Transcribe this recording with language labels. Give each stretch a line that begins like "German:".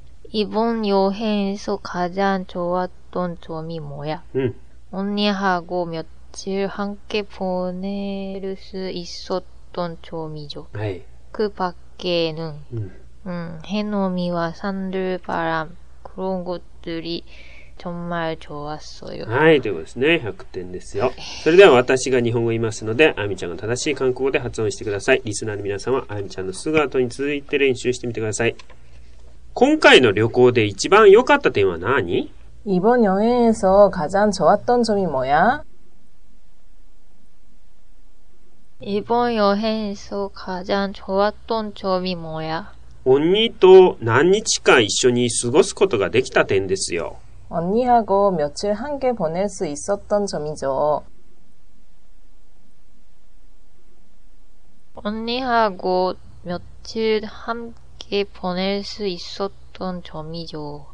Korean: 이번 여행에서 가장 좋았던 점이 뭐야? 언니하고 며칠 함께 보낼 수 있었던 점이죠. 네. 그 밖에는 해넘이와 산들 바람 그런 것들이 정말 좋았어요.
Japanese: はい、ということですね。100点ですよ。それでは私が日本語を言いますので、あゆみちゃんが正しい韓国語で発音してください。リスナーの皆さんは、あゆみちゃんのすぐ後に続いて練習してみてください。今回の旅行で一番良かった点は何？
Korean: 이번여행에서가장좋았던점이뭐야？ 이번여행에서가장좋았던점이뭐야？
Japanese: 언니と何日間一緒に過ごすことができた点ですよ。
Korean: 언니하고며칠함께보낼수있었던점이죠 언니하고며칠함께보낼수있었던점이죠